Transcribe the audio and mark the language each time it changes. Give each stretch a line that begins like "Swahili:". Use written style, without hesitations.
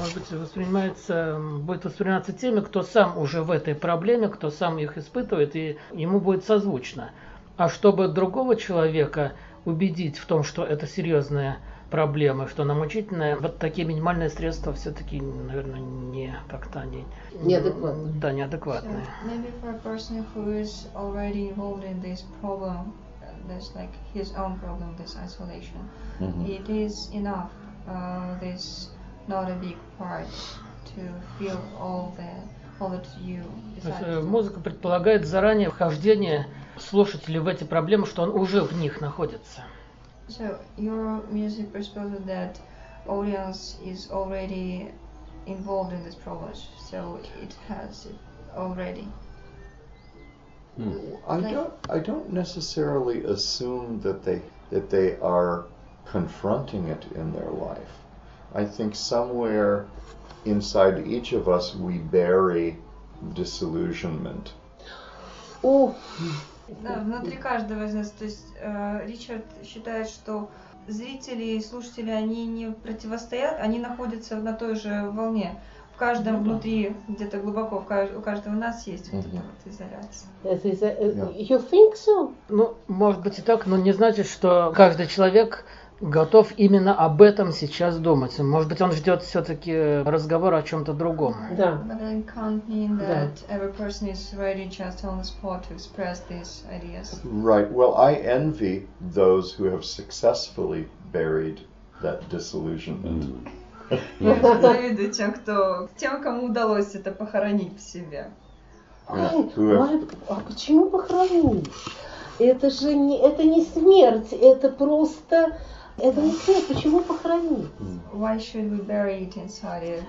Russian: Может быть, будет восприниматься теми, кто сам уже в этой проблеме, кто сам их испытывает, и ему будет созвучно. А чтобы другого человека убедить в том, что это серьезная проблема, что она мучительная, вот такие минимальные средства все-таки, наверное, не как-то они... Неадекватные. Да, неадекватные.
English: So, maybe for a person who is already involved in this problem, this like his own problem, this isolation. It is enough, this not a big part to feel all that you decide.
Russian: Музыка предполагает заранее вхождение слушателей в эти проблемы, что он уже в них находится.
English: So your music presupposes that audience is already involved in this problem, so it has it already. I don't necessarily assume that they are confronting it in their life. I think somewhere inside each of us we bury disillusionment. Oh.
Russian: Да, внутри каждого из нас. То есть Ричард считает, что зрители и слушатели они не противостоят, они находятся на той же волне. В каждом внутри, где-то глубоко, у каждого у нас есть вот эта вот изоляция.
English: Yeah. You think so?
Russian: Ну, может быть и так, но не значит, что каждый человек готов именно об этом сейчас думать. Может быть, он ждет все-таки разговора о чем-то другом. Да.
English: But it can't mean that every person is ready just on the spot to express these ideas. Right. Well, I envy those who have successfully buried that disillusionment.
Russian: Я завидую тем, кому удалось это похоронить в себе. А почему похоронить? Это не смерть, это просто... Это не смерть, почему похоронить?
English: Why should we bury it inside?